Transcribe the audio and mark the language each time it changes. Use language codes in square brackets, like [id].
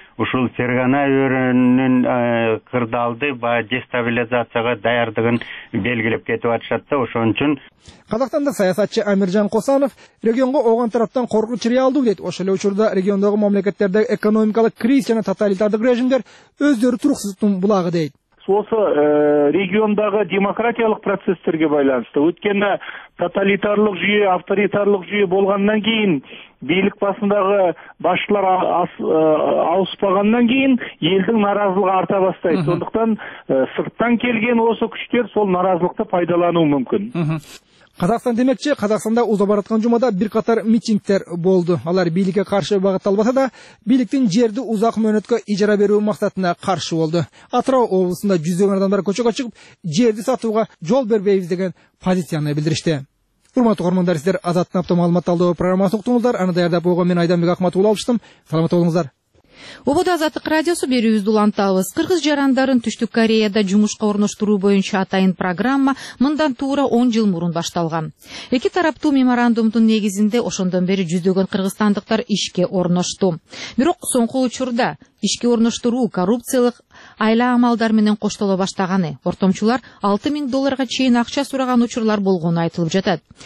[ky] Ушул Фергана өрөөнүн кырдаалды баягы дестабилизацияга даярдыгын белгилеп кетип атышат да. Ошон үчүн Казакстандык саясатчы Амиржан Косанов регионго Ооган тараптан коркунуч реалдуу дейт. Ошол эле учурда региондогу мамлекеттерде экономикалык кризис жана тоталитардык режимдер өздөрү туруксуздуктун булагы дейт. [kk] осы региондағы демократиялық процестерге байланысты. Өткені тоталитарлық жүйе, авторитарлық жүйе болғаннан кейін, билік басындағы басшылар ауыспағаннан кейін елдің наразылығы арта бастайды. Сондықтан сырттан келген осы күштер сол наразылықты пайдалануы мүмкін. Қазақстан демекші, Қазақстанда ұзап баратқан жұмада бірқатар митингтер болды. Олар билікке қарсы бағытталбаса да, биліктің жерді ұзақ мөнетке ижара беру мақсатына қарсы болды. Атырау облысында жүздеген адамдар көшеге шығып, жерді сатуға жол бербейміз деген позицияны білдірді. Құрметті көрермендер, сіздер Азаттың апта мәлімет алды программасын ұқтыңыздар. Ана даярда болған мен Айдамбек Ахматұлы алыштым. Саламат болыңыздар. [ky] Обода Азаттық радиосу берүүбүздү улантабыз. Кыргыз жарандарын Түштүк Кореяда жумушка орноштуруу боюнча атайын программа мындан туура 10 жыл мурун башталган. Эки тараптуу меморандумдун негизинде ошондон бери жүздөгөн кыргызстандыктар ишке орношту. Бирок соңку учурда ишке орноштуруу коррупциялык айла амалдар менен коштоло баштаганы, ортомчулар 6000 долларга чейин акча сураган учурлар болгону айтылып жатат.